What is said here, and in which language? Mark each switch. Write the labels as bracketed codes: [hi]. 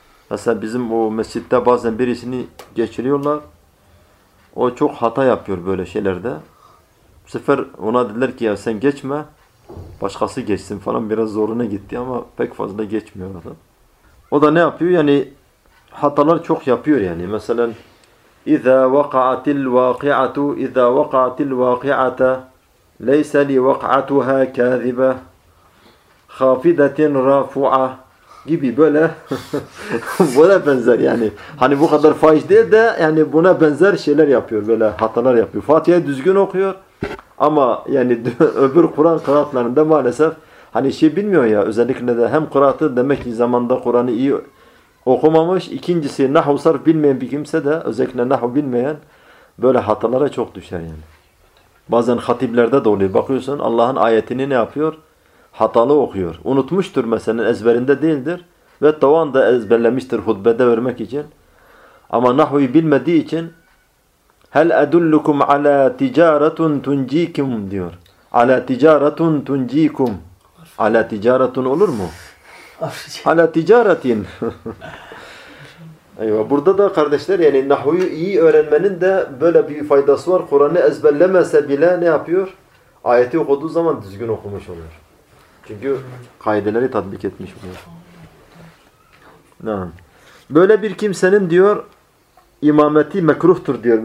[tr] Mesela bizim o mescitte bazen birisini geçiriyorlar. O çok hata yapıyor böyle şeylerde. Bu sefer ona dediler ki ya sen geçme, başkası geçsin falan biraz zoruna gitti ama pek fazla geçmiyor adam. O da ne yapıyor? Yani hatalar çok yapıyor yani. Mesela [ar] اِذَا وَقَعَتِ الْوَاقِعَةُ اِذَا وَقَعَتِ الْوَاقِعَةَ لَيْسَ لِوَقْعَتُهَا كَاذِبَ خَافِدَةٍ رَافُعَ [tr] gibi böyle buna benzer yani. Hani bu kadar fahiş değil de yani buna benzer şeyler yapıyor böyle hatalar yapıyor. Fatiha'yı düzgün okuyor. Ama yani öbür Kur'an kıraatlarında maalesef hani şey bilmiyor ya özellikle de hem kıraatı demek ki zamanda Kur'an'ı iyi okumamış. İkincisi nahv sarf bilmeyen bir kimse de özellikle nahv bilmeyen böyle hatalara çok düşer yani. Bazen hatiplerde de oluyor. Bakıyorsun Allah'ın ayetini ne yapıyor? Hatalı okuyor. Unutmuştur mesela ezberinde değildir. Ve o anda ezberlemiştir hutbede vermek için. Ama nahvi bilmediği için [ar] هَلْ أَدُلُّكُمْ عَلَى تِجَارَةٌ تُنْجِيكُمْ [tr] diyor. [ar] عَلَى تِجَارَةٌ تُنْجِيكُمْ عَلَى تِجَارَةٌ [tr] olur mu? [ar] عَلَى تِجَارَةٍ [tr] Eyvah. Burada da kardeşler yani nahvuyu iyi öğrenmenin de böyle bir faydası var. Kur'an'ı ezberlemese bile ne yapıyor? Ayeti okuduğu zaman düzgün okumuş oluyor. Çünkü kaideleri tatbik etmiş oluyor. Böyle bir kimsenin diyor İmameti mekruhtur diyor.